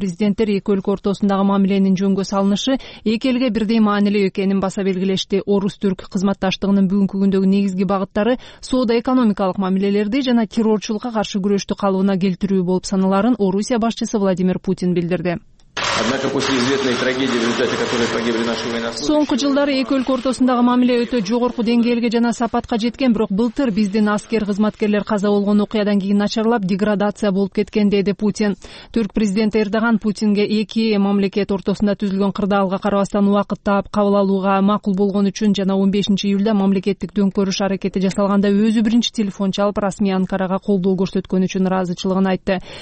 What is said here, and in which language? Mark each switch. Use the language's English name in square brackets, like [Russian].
[Kyrgyz] Президенттер эки өлкө ортосундагы мамиленин жөнгө салынышы эки элге бирдей маанилүү экенин баса белгилешти. Орус түрк кызматташтыгынын бүгүнкү күндөгү негизги багыттары соода экономикалык мамилелерди жана террорчулукка каршы күрөштү калыбына келтирүү болуп саналарын Орусия башчысы Владимир Путин билдирди. [Russian] Однако после известной трагедии, в результате которой погибли наши военнослужащие. [Kyrgyz] Соңку жылдары эки өлкө ортосундагы мамиле өтө жогорку деңгээлге жана сапатка жеткен, бирок былтыр биздин аскер кызматкерлер каза болгон окуядан кийин начарлап, деградация болуп кеткен, деди Путин. Түрк президенти Эрдоган Путинге эки мамлекет ортосунда түзүлгөн кырдаалга карабастан убакыт таап кабыл алууга макул болгон үчүн жана 15-июлда мамлекеттик дөңкөрүш аракети жасалганда өзү биринчи телефон чалып расмий Анкарага колдоо көрсөткөн үчүн ыраазычылыгын айтты.